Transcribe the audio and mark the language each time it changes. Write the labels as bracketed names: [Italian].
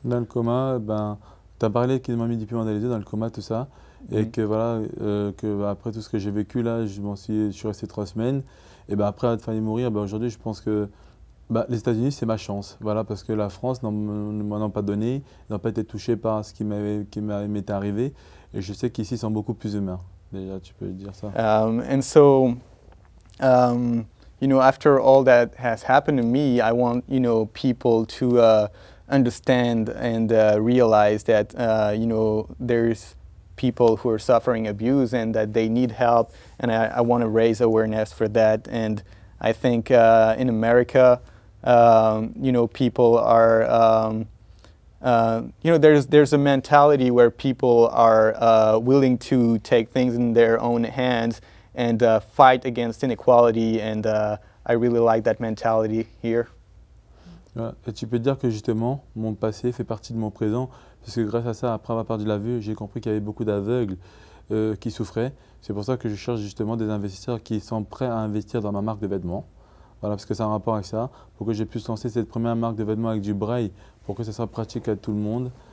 [French] Dans le coma, t'as parlé qu'ils m'ont mis du piment dans les yeux dans le coma, tout ça, et que voilà, que après tout ce que j'ai vécu là, je suis resté 3 semaines, et après avoir failli mourir, aujourd'hui je pense que les États-Unis, c'est ma chance, parce que la France ne m'en a pas donné, n'a pas été touchée par ce qui m'est arrivé. Et je sais qu'ici, ils sont beaucoup plus humains. Déjà, tu peux dire ça. [English] And so, you know, after all that has happened to me, I want, you know, people to understand and realize that, you know, there's people who are suffering abuse and that they need help. And I want to raise awareness for that. And I think in America, you know, people are, you know, there's a mentality where people are willing to take things in their own hands and fight against inequality, and I really like that mentality here. [French] Et tu peux dire que justement, mon passé fait partie de mon présent, parce que grâce à ça, après avoir perdu la vue, j'ai compris qu'il y avait beaucoup d'aveugles qui souffraient. C'est pour ça que je cherche justement des investisseurs qui sont prêts à investir dans ma marque de vêtements. Voilà, parce que c'est un rapport avec ça, pour que j'ai pu lancer cette première marque de vêtements avec du braille, pour que ça soit pratique à tout le monde,